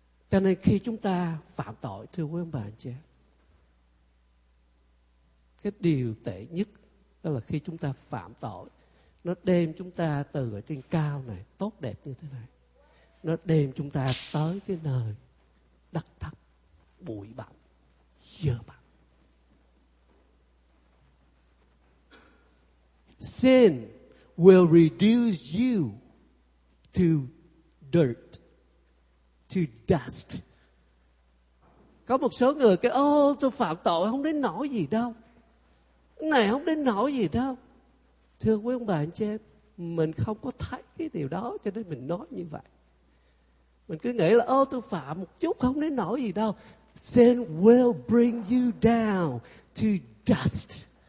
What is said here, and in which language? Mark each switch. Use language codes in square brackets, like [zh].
[vi] Cho nên khi chúng ta phạm tội, thưa quý ông bà anh chị em, cái điều tệ nhất đó là khi chúng ta phạm tội, nó đem chúng ta từ ở trên cao này, tốt đẹp như thế này, nó đem chúng ta tới cái nơi đất thấp, bụi bặm, dơ bặm. [en] Sin will reduce you to dirt, to dust. [vi] Có một số người cái: Ô, tôi phạm tội không đến nỗi gì đâu. này không đến nỗi gì đâu. Thưa quý ông bà anh chị em, mình không có thấy cái điều đó cho nên mình nói như vậy. Mình cứ nghĩ là ô tôi phạm một chút không đến nỗi gì đâu. [en] Sin will bring you down to dust.